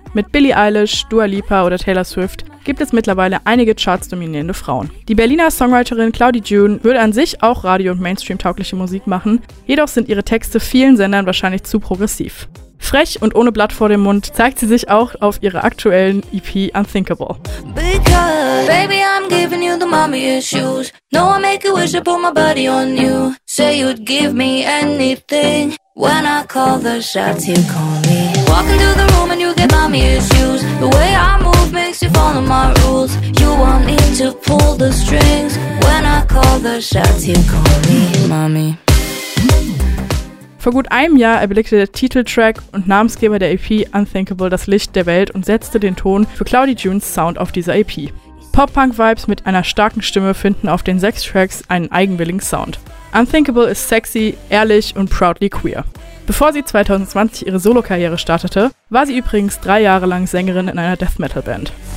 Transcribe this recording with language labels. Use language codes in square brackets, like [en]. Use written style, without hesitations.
[de] Mit Billie Eilish, Dua Lipa oder Taylor Swift gibt es mittlerweile einige chartsdominierende Frauen. Die Berliner Songwriterin Claudie June würde an sich auch radio- und Mainstream-taugliche Musik machen, jedoch sind ihre Texte vielen Sendern wahrscheinlich zu progressiv. Frech und ohne Blatt vor dem Mund zeigt sie sich auch auf ihrer aktuellen EP Unthinkable. [en] Because, baby, I'm giving you the mommy issues. No, I make a wish, I put my body on you. Say you'd give me anything. When I call the shots, you call me. Walking through the room and you get mommy issues. The way I move makes you follow my rules. You want me to pull the strings. When I call the shots, you call me. Mommy. [de] Vor gut einem Jahr erblickte der Titeltrack und Namensgeber der EP Unthinkable das Licht der Welt und setzte den Ton für Claudie Junes Sound auf dieser EP. Pop-Punk-Vibes mit einer starken Stimme finden auf den 6 Tracks einen eigenwilligen Sound. Unthinkable ist sexy, ehrlich und [en] proudly queer. [de] Bevor sie 2020 ihre Solo-Karriere startete, war sie übrigens 3 Jahre lang Sängerin in einer Death-Metal-Band.